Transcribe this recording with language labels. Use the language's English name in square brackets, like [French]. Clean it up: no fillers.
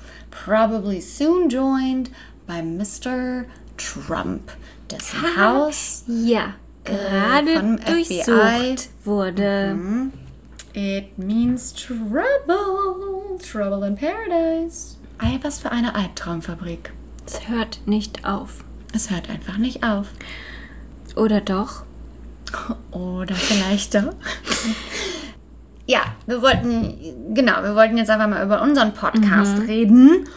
[English] Probably soon joined by Mr. [German] Trump, dessen Haus ja gerade von durchsucht FBI wurde. [English] It means trouble in paradise. [German] Ei, was für eine Albtraumfabrik. Es hört nicht auf. Es hört einfach nicht auf. Oder doch? Oder vielleicht doch. Ja, wir wollten jetzt einfach mal über unseren Podcast reden.